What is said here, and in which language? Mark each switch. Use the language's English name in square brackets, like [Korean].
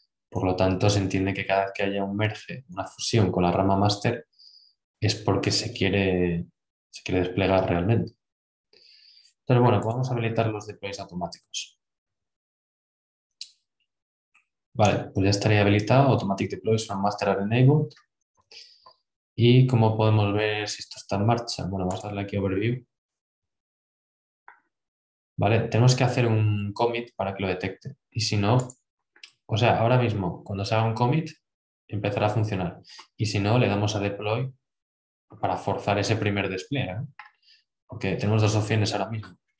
[Spanish] Por lo tanto, se entiende que cada vez que haya un merge, una fusión con la rama master, es porque se quiere desplegar realmente. Pero bueno, podemos habilitar los deploys automáticos. Vale, pues ya estaría habilitado. [English] Automatic deploys from master are enabled. [Spanish] ¿Y cómo podemos ver si esto está en marcha? Bueno, vamos a darle aquí a overview. Vale, tenemos que hacer un commit para que lo detecte. Y si no, o sea, ahora mismo, cuando se haga un commit, empezará a funcionar. Y si no, le damos a deploy para forzar ese primer despliegue, ¿eh? Porque tenemos dos opciones ahora mismo.